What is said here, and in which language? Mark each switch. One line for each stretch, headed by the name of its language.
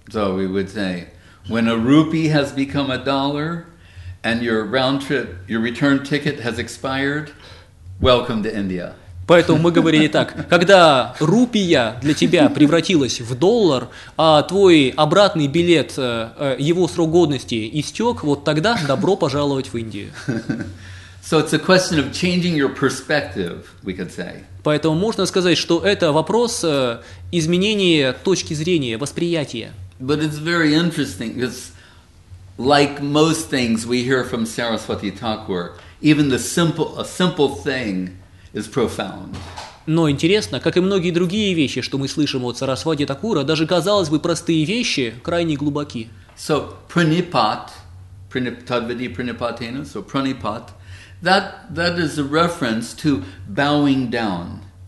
English: So we would say, when a rupee has become a dollar, and your round trip, your return ticket has expired, welcome to India.
Russian: Поэтому мы говорили так, когда рупия для тебя превратилась в доллар, а твой обратный билет, его срок годности истек, вот тогда добро пожаловать в Индию.
English: So it's a question of changing your perspective, we could say.
Russian: Поэтому можно сказать, что это вопрос изменения точки зрения, восприятия.
English: But it's very interesting, because like most things we hear from Saraswati Thakur, even a simple thing is profound.
Russian: Но интересно, как и многие другие вещи, что мы слышим от Сарасвати Такура, даже, казалось бы, простые вещи крайне глубоки.
English: So, pranipat,
Sanskrit: tadvidhi pranipatena,
English: so pranipat, that is a reference to bowing down.